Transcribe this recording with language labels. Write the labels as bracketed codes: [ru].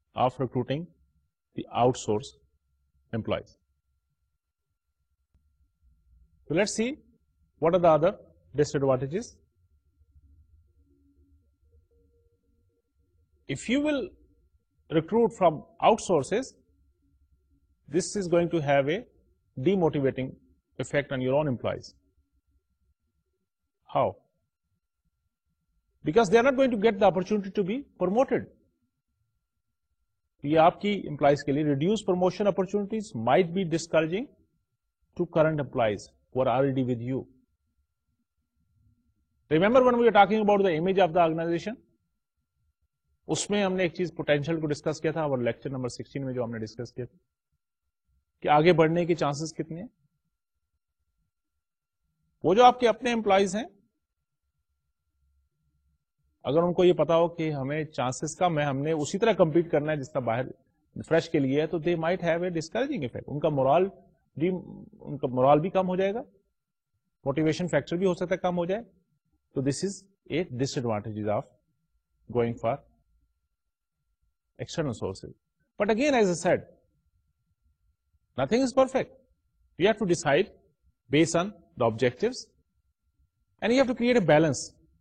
[en] of recruiting the outsourced employees so let's see what are the other disadvantages If you will recruit from outsources, this is going to have a demotivating effect on your own employees. How? Because they are not going to get the opportunity to be promoted. Ye aapki employees ke liye reduced promotion opportunities might be discouraging to current employees who are already with you. Remember when we were talking about the image of the organization? [ur] اس میں ہم نے ایک چیز potential کو discuss کیا تھا اور lecture number 16 میں جو ہم نے ڈسکس کیا تھا کہ آگے بڑھنے کے چانسز کتنے ہیں وہ جو آپ کے اپنے امپلائیز ہیں اگر ان کو یہ پتا ہو کہ ہمیں چانسز کا میں ہم نے اسی طرح کمپیٹ کرنا ہے جس طرح باہر فریش کے لیے ہے تو they might have a discouraging effect ان کا مورال بھی کم ہو جائے گا موٹیویشن فیکٹر بھی ہو سکتا ہے کم ہو جائے تو دس از اے ڈس advantages of going for external sources. [en] But again, as I said, nothing is perfect. You have to decide based on the objectives and you have to create a balance.